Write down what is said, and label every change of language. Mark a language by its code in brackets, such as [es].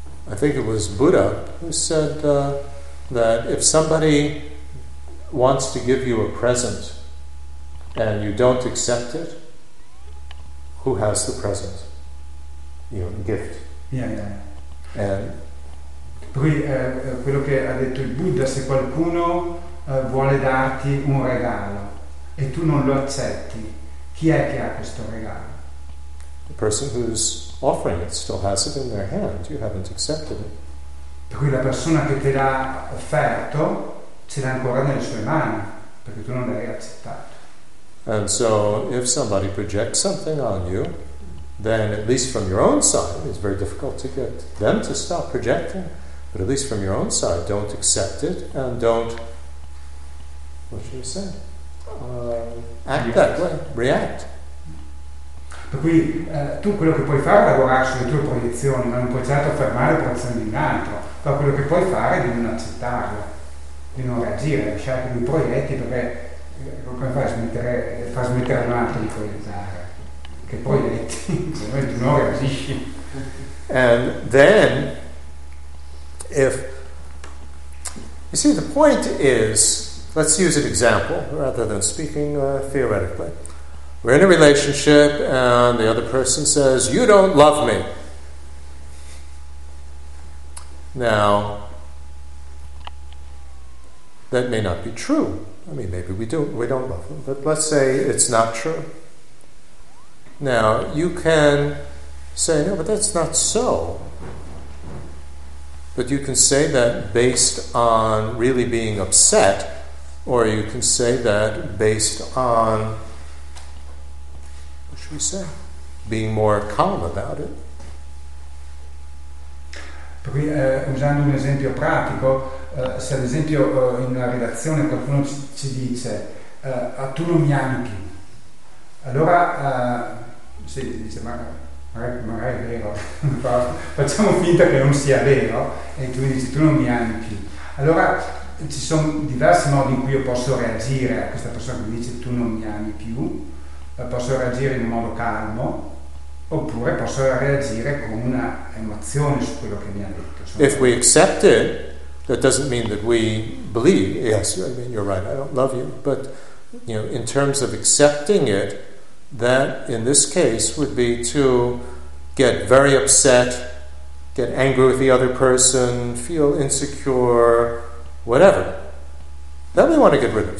[en] I think it was Buddha who said that if somebody wants to give you a present and you don't accept it, who has the present? You know, gift. Yeah. And [it] quello che ha detto il Buddha, se qualcuno vuole darti un regalo e tu non lo accetti, chi è che ha questo regalo? [en] The person who's offering it still has it in their hand, you haven't accepted it. [it] Per cui la persona che te l'ha offerto ce l'ha ancora nelle sue mani, perché tu non l'hai accettato. [en] And so if somebody projects something on you, then at least from your own side it's very difficult to get them to stop projecting. But at least from your own side, don't accept it and don't, what should I say, act that way, react. [it] Per cui tu quello che puoi fare è lavorare sulle tue proiezioni, ma non puoi certo fermare le proiezioni di un altro. Ma quello che puoi fare è di non accettarlo, di non reagire, lasciare che mi proietti, perché come fa a smettere, fa smettere un altro di proiettare? Che proietti, se tu non reagisci. [en] And then, if you see, the point is Let's use an example rather than speaking theoretically. We're in a relationship and the other person says, "You don't love me." Now, that may not be true. I mean, maybe we don't love them, but let's say it's not true. Now, you can say, "No, but that's not so." But you can say that based on really being upset, or you can say that based on, what should we say, being more calm about it. [it] Per cui, usando un esempio pratico, se ad esempio in una relazione qualcuno ci dice tu non mi ami più, allora si dice magari è vero, facciamo finta che non sia vero, e tu mi dici tu non mi ami più. Allora ci sono diversi modi in cui io posso reagire a questa persona che mi dice tu non mi ami più, posso reagire in modo calmo, oppure posso reagire con una emozione su quello che mi ha detto. [en] If we accept it, that doesn't mean that we believe, yes, I mean, you're right, I don't love you, but, you know, in terms of accepting it, that in this case would be to get very upset, get angry with the other person, feel insecure, whatever. That we want to get rid of.